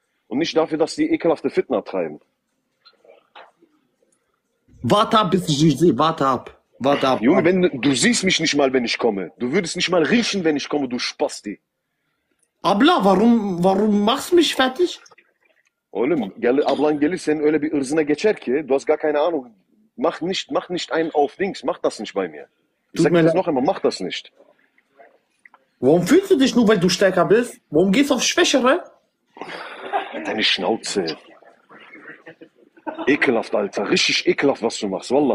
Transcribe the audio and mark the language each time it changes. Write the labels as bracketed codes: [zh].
[de] Und nicht dafür, dass die ekelhafte Fitna treiben. Warte ab, bis ich dich sehe. Warte ab. Junge, wenn du siehst mich nicht mal, wenn ich komme. Du würdest nicht mal riechen, wenn ich komme, du Spasti. Abla, warum machst du mich fertig? [tr] Oğlum, ablan gelir senin öyle bir ırzına geçer ki, [de] du hast gar keine Ahnung. Mach nicht einen auf Dings, mach das nicht bei mir. Ich sag dir das noch einmal, mach das nicht. Warum fühlst du dich nur, weil du stärker bist? Warum gehst du auf Schwächere? Deine Schnauze. Ekelhaft, Alter. Richtig ekelhaft, was du machst, Wallah.